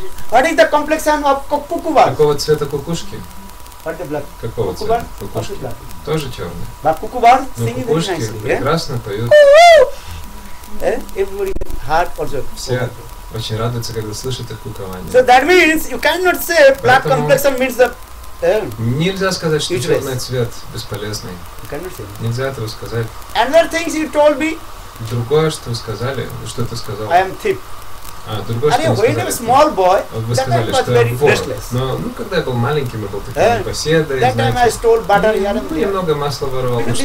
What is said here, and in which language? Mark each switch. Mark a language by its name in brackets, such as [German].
[English] What is the complexion of cuckoo? [Russian] Какого цвета кукушки? [English] What the black? [Russian] Какого Kukubar? Цвета? Кукушки. [English] Black? [Russian] Тоже черные. [English] But cuckoo singing very nicely. [Russian] Прекрасно поют. [English] Everybody heart also. [Russian] Все очень радуются, когда слышат их кукование. [English] So that means you cannot say black complexion means the [Russian] нельзя сказать, что черный цвет бесполезный. [English] You cannot say that. [Russian] Нельзя этого сказать. [English] Another things you told me. [Russian] Другое, что вы сказали, что ты сказал? [English] I am thief. [Russian] Другое, что вы сказали, [English] small boy, [Russian] вот вы сказали, что я вор. Но когда я был маленьким, я был таким непоседой, немного масла воровал.